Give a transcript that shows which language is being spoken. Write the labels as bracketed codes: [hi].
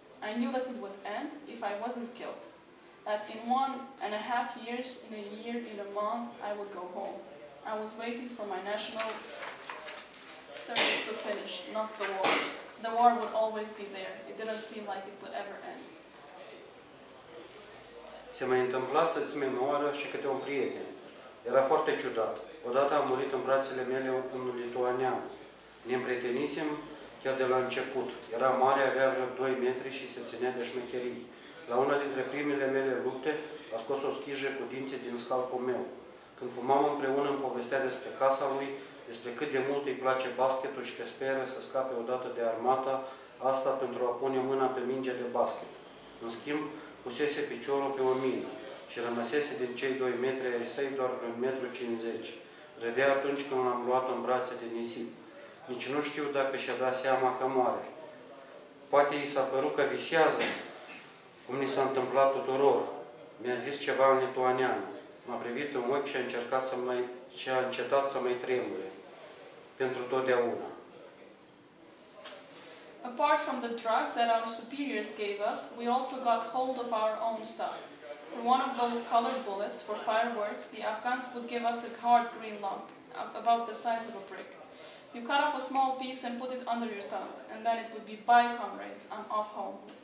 [en] I knew that it would end if I wasn't killed. That in 1.5 years, in a year, in a month, I would go home. I was waiting for my national service to finish, not the war. The war would always be there. It didn't seem like it would ever end. [ro] Se mai întâmpla să-ți memoară și câte un prieten. Era foarte ciudat. Odată a murit în brațele mele un lituanean. Ne împrietenisem chiar de la început. Era mare, avea vreo 2 metri și se ținea de șmecherii. La una dintre primele mele lupte, a scos o schijă cu dinții din scalpul meu. Când fumam împreună, îmi povestea despre casa lui, despre cât de mult îi place basketul și că speră să scape odată de armata, asta pentru a pune mâna pe mingea de basket. În schimb, pusese piciorul pe o mină și rămăsese din cei 2 metri ai săi doar vreo 1,50 m. Râdea atunci când l-am luat în brațe de nisip. Nici nu știu dacă și-a dat seama că moare. Poate i s-a părut că visează, cum ni s-a întâmplat tuturor. Mi-a zis ceva în lituaneană. M-a privit în ochi și a încetat să mai tremure. Pentru totdeauna. [en] Apart from the drug that our superiors gave us, we also got hold of our own stuff. For one of those colored bullets for fireworks, the Afghans would give us a hard green lump, about the size of a brick. You cut off a small piece and put it under your tongue, and then it would be, "Bye, comrades, I'm off home."